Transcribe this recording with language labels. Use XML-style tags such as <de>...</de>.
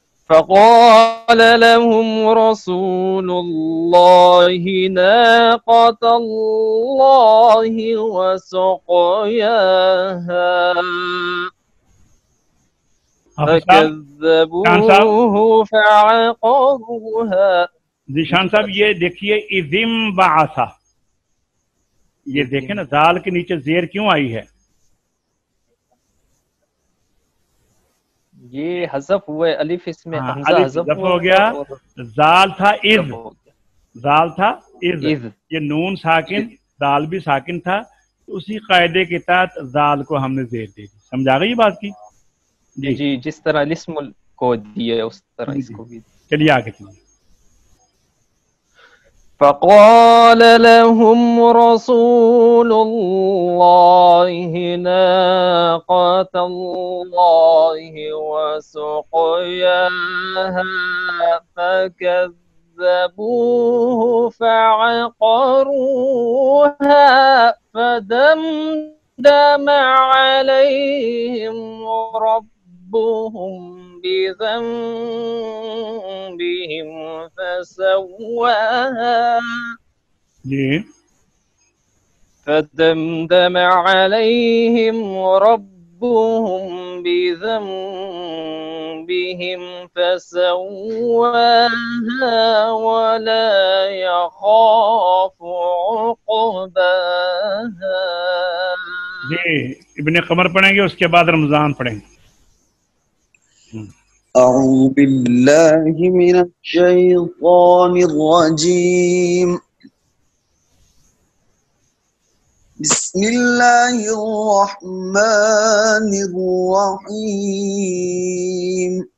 <ar>فقال لهم رسول الله ناقة الله وسقياها فكذبوه فعقروها.</ar> <ur>ذيشان صاحب یہ دیکھیے</ur> <ar>اذم بعثا</ar> <ur>یہ دیکھیں نا زال کے نیچے زیر کیوں آئی ہے یہ حذف ہوئے الف اس میں حذف ہو گیا زال تھا اذ زال تھا اذ یہ نون ساکن زال بھی ساکن تھا اسی قاعدے کے تحت زال کو ہم نے زیر دے دی سمجھا گئی یہ بات کی جی جس طرح الاسم کو دیے اس طرح اس کو بھی چلیے آگے چلیے</ur> <ar>فقال لهم رسول الله ناقة الله وسقياها فكذبوه فعقروها فدمدم عليهم ربهم بذنبهم فسواها فدمدم عليهم ربهم بذنبهم فسواها ولا يخاف عقباها</ar> <ur>جی ابن قمر پڑھیں گے اس کے بعد رمضان پڑھیں گے</ur> <ar>أعوذ بالله من الشيطان الرجيم بسم الله الرحمن الرحيم</ar>